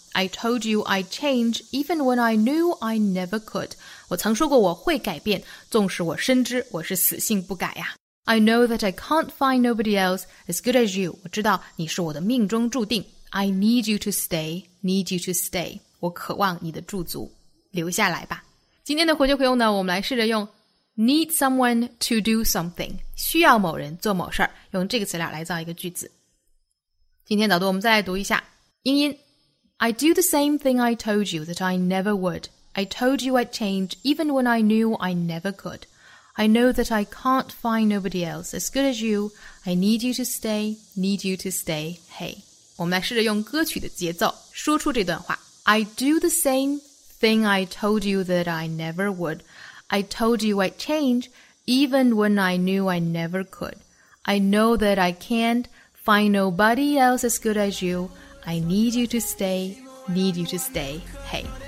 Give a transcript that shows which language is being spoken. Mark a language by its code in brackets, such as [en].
[en] I told you I'd change even when I knew I never could. [zh] 我曾说过我会改变，纵使我深知我是死性不改呀。 [en] I know that I can't find nobody else as good as you. [zh] 我知道你是我的命中注定。 [en] I need you to stay, need you to stay. [zh] 我渴望你的驻足，留下来吧。今天的回旧回用呢，我们来试着用 [en] need someone to do something, [zh] 需要某人做某事，用这个词俩来造一个句子。今天早读我们再来读一下英音。 [en] I do the same thing I told you that I never would. I told you I'd change even when I knew I never could. I know that I can't find nobody else as good as you. I need you to stay, need you to stay, hey. [zh] 我们来试着用歌曲的节奏说出这段话。 [en] I do the same thing I told you that I never would. I told you I'd change even when I knew I never could. I know that I can't find nobody else as good as you. I need you to stay, need you to stay, hey.